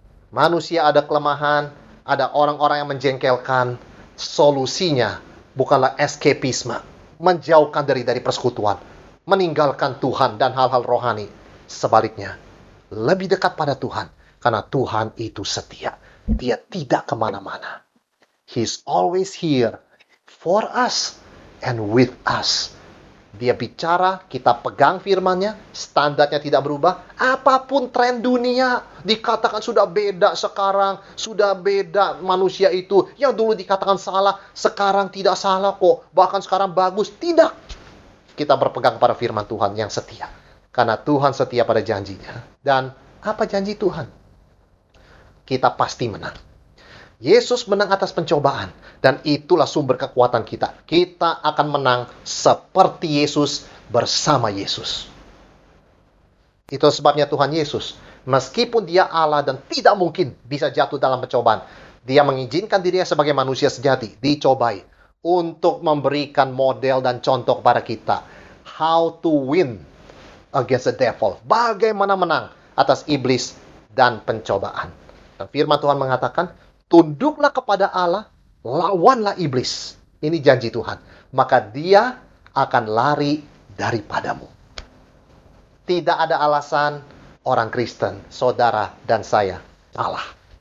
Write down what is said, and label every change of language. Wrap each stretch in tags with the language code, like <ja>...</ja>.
<id>Manusia ada kelemahan, ada orang-orang yang menjengkelkan. Solusinya bukanlah escapisme, menjauhkan diri dari persekutuan, meninggalkan Tuhan dan hal-hal rohani. Sebaliknya, lebih dekat pada Tuhan, karena Tuhan itu setia. Dia tidak kemana-mana.</id> <en>He's always here for us and with us.</en> <id>Dia bicara, kita pegang firman-Nya, standarnya tidak berubah. Apapun tren dunia, dikatakan sudah beda sekarang, sudah beda manusia itu. Yang dulu dikatakan salah, sekarang tidak salah kok. Bahkan sekarang bagus, tidak. Kita berpegang pada firman Tuhan yang setia. Karena Tuhan setia pada janji-Nya. Dan apa janji Tuhan? Kita pasti menang. Yesus menang atas pencobaan. Dan itulah sumber kekuatan kita. Kita akan menang seperti Yesus bersama Yesus. Itu sebabnya Tuhan Yesus, meskipun dia Allah dan tidak mungkin bisa jatuh dalam pencobaan, dia mengizinkan dirinya sebagai manusia sejati, dicobai, untuk memberikan model dan contoh kepada kita.</id> <en>How to win against the devil.</en> <id>Bagaimana menang atas iblis dan pencobaan. Dan firman Tuhan mengatakan, tunduklah kepada Allah, lawanlah iblis. Ini janji Tuhan. Maka dia akan lari daripadamu. Tidak ada alasan orang Kristen, saudara dan saya kalah.</id>